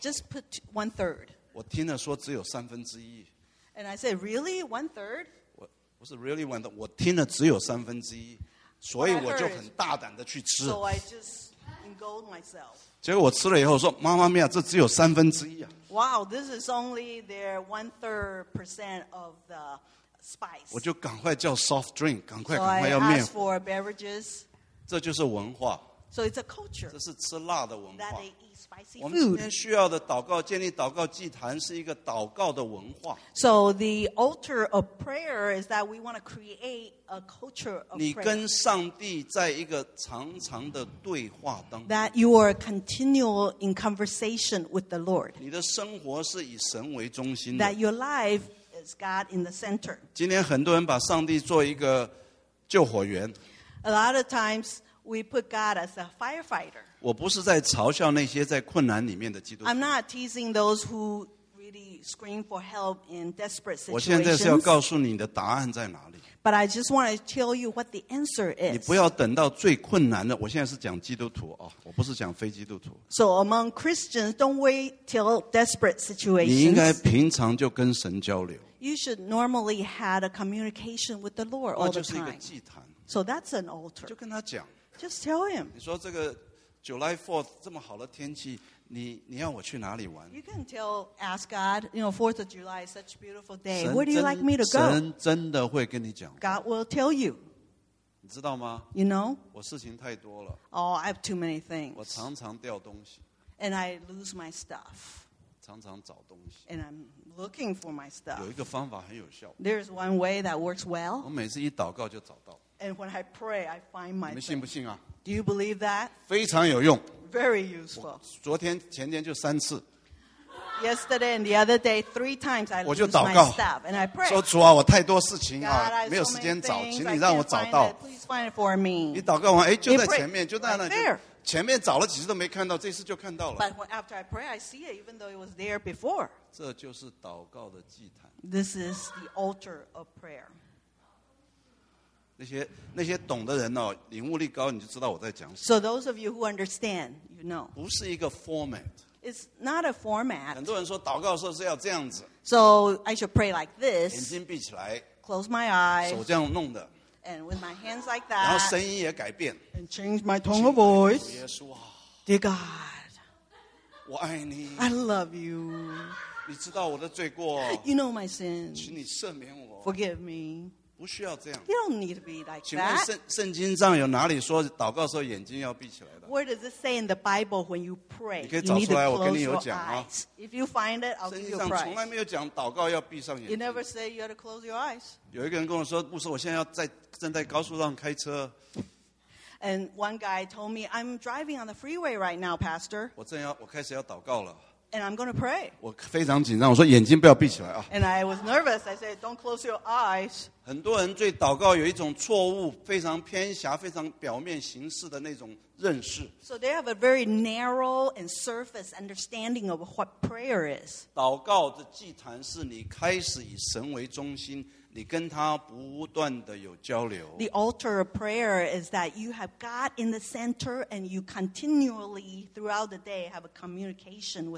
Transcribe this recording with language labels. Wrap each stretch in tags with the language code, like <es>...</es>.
<en>Just put 1/3.</en> <zh>我听了说只有三分之一。</zh> <en>And I said, really 1/3?</en> <zh>我是</zh> <en>really 1/3.</en> <zh>我听了只有三分之一，所以我就很大胆的去吃。</zh> <en>So I just. Myself.</en> <zh>结果我吃了以后说，妈妈咪呀，这只有三分之一啊！</zh> <en>Wow, this is only their 1/3% of the spice.</en> <zh>我就赶快叫</zh> <en>soft drink,</en> <zh>赶快要面。</zh> <en>So I asked for beverages.</en> <zh>这就是文化。</zh> <en>So it's a culture.</en> <zh>这是吃辣的文化。</zh> <en>That they eat spicy food.</en> <zh>我们今天需要的祷告，建立祷告祭坛是一个祷告的文化。</zh> <en>So the altar of prayer is that we want to create a culture of prayer.</en> <zh>你跟上帝在一个常常的对话当中。</zh> <en>That you are continual in conversation with the Lord.</en> <zh>你的生活是以神为中心的。</zh> <en>That your life is God in the center.</en> <zh>今天很多人把上帝做一个救火员。</zh> <en>A lot of times,We put God as a firefighter.</en> <zh>我不是在嘲笑那些在困难里面的基督徒。</zh> <en>I'm not teasing those who really scream for help in desperate situations.</en> <zh>我现在是要告诉你的答案在哪里。</zh> <en>But I just want to tell you what the answer is.</en> <zh>你不要等到最困难的。我现在是讲基督徒啊，我不是讲非基督徒。</zh> <en>So among Christians, don't wait till desperate situations.</en> <zh>你应该平常就跟神交流。</zh> <en>You should normally have a communication with the Lord all the time.</en> <zh>那就是一个祭坛。</zh> <en>So that's an altar.</en> <zh>就跟他讲。</zh> <en>Just tell him.</en> <zh>你说这个 July 4th 这么好的天气，你要我去哪里玩？</zh> <en>You can tell, ask God. You know, 4th of July is such a beautiful day. Where do you like me to go?</en> <zh>神真的会跟你讲。</zh> <en>God will tell you.</en> <zh>你知道吗？</zh> <en>You know.</en> <zh>我事情太多了。</zh> <en>Oh, I have too many things.</en> <zh>我常常掉东西。</zh> <en>And I lose my stuff.</en> <zh>常常找东西。</zh> <en>And I'm looking for my stuff.</en> <zh>有一个方法很有效。</zh> <en>There is one way that works well.</en> <zh>我每次一祷告就找到。</zh> <en>And when I pray, I find my.</en> <zh>你们信不信啊？</zh> <en>Do you believe that?</en> <zh>非常有用。</zh> <en>Very useful.</en> <zh>昨天前天就三次。</zh> <en>Yesterday and the other day, 3 times I.</en> <zh>我就祷告。</zh> <en>And I pray.</en> <zh>说主啊，我太多事情啊，没有时间找，请你让我找到。</zh> <en>Please find it for me.</en> <zh>你祷告完，哎，就在前面，就在那。</zh> <en>There.</en> <zh>前面找了几次都没看到，这次就看到了。</zh> <en>But after I pray, I see it, even though it was there before.</en> <zh>这就是祷告的祭坛。</zh> <en>This is the altar of prayer.</en> <zh>那些懂的人哦, 领悟力高, 你就知道我在讲什么。</zh> <en>So those of you who understand, you know.</en> <zh>不是一个 format.</zh> <en>It's not a format.</en> <zh>很多人说祷告的时候是要这样子。</zh> <en>So I should pray like this.</en> <zh>眼睛闭起来,</zh> <en>close my eyes.</en> <zh>手这样弄的,</zh> <en>and with my hands like that.</en> <zh>然后声音也改变,</zh> <en>and change my tone of voice.</en> <zh>耶稣啊,</zh> <en>Dear God.</en> <zh>我爱你,</zh> <en>I love you.</en> <zh>你知道我的罪过,</zh> <en>you know my sins.</en> <zh>请你赦免我,</zh> <en>forgive me.</en> <zh>不需要这样,</zh> <en>you don't need to be like that.</en> <zh>请问圣经上有哪里说祷告时候眼睛要闭起来的?</zh> <en>Where does it say in the Bible when you pray?</en> <zh>你可以找出来,</zh> <en>you need to close your eyes. If you find it, I'll give you a prize.</en> <zh>圣经上从来没有讲祷告要闭上眼睛。</zh> <en>You never say you have to close your eyes.</en> <zh>有一个人跟我说, 牧师我现在正在高速上开车。</zh> <en>And one guy told me, I'm driving on the freeway right now, pastor.</en> <zh>我开始要祷告了。</zh> <en>And I'm going to pray.</en> <zh>我非常紧张，我说眼睛不要闭起来啊。</zh> <en>And I was nervous. I said, don't close your eyes.</en> <zh>很多人对祷告有一种错误，非常偏狭，非常表面形式的那种认识。</zh> <en>So they have a very narrow and surface understanding of what prayer is.</en> <zh>祷告的祭坛是你开始以神为中心，你跟他不断的有交流。</zh> <en>The altar of prayer is that you have God in the center and you continually throughout the day have a communication with him.</en>